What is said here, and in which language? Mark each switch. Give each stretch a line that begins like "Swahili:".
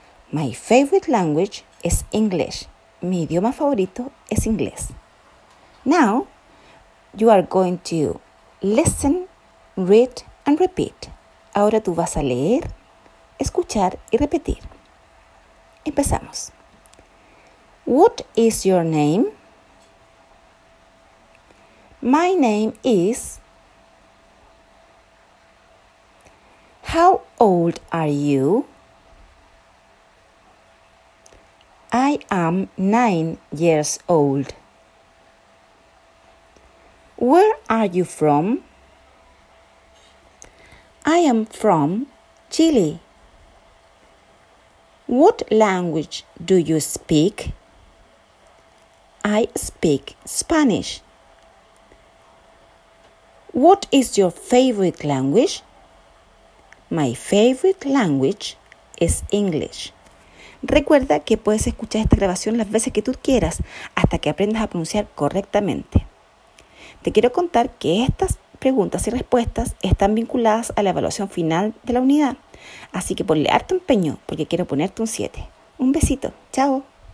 English: My favorite language is English.
Spanish: Mi idioma favorito es inglés.
English: Now, you are going to listen, read, and repeat.
Spanish: Ahora tú vas a leer, escuchar y repetir. Empezamos.
English: What is your name? My name is... How old are you? I am 9 years old. Where are you from? I am from Chile. What language do you speak? I speak Spanish. What is your favorite language? My favorite language is English.
Spanish: Recuerda que puedes escuchar esta grabación las veces que tú quieras hasta que aprendas a pronunciar correctamente. Te quiero contar que estas preguntas y respuestas están vinculadas a la evaluación final de la unidad. Así que ponle harto empeño porque quiero ponerte un 7. Un besito. Chao.